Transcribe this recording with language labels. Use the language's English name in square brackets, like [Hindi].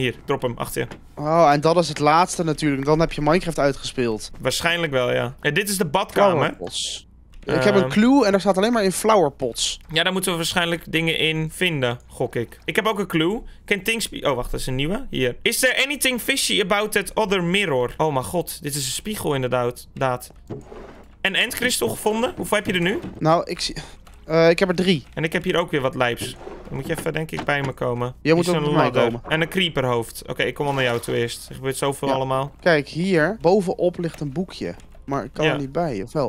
[Dutch] Hier, drop hem achter je. Oh, en dat is het laatste natuurlijk. Dan heb je Minecraft uitgespeeld. Waarschijnlijk wel, ja. En dit is de badkamer. Ik heb een clue en daar staat alleen maar in flowerpots. Ja, daar moeten we waarschijnlijk dingen in vinden, gok ik. Ik heb ook een clue. [English] Can things be... [Dutch] Oh, wacht, dat is een nieuwe. Hier. [English] Is there anything fishy about that other mirror? [Dutch] Oh mijn god, dit is een spiegel inderdaad. Een endcrystal gevonden? Hoeveel heb je er nu? Nou, ik zie... ik heb er 3. En ik heb hier ook weer wat lijps. Dan moet je even, denk ik, bij me komen. Jij moet ook bij mij komen. En een creeperhoofd. Oké, ik kom al naar jou toe eerst. Er gebeurt zoveel allemaal. Kijk, hier bovenop ligt een boekje. Maar ik kan er niet bij, of wel?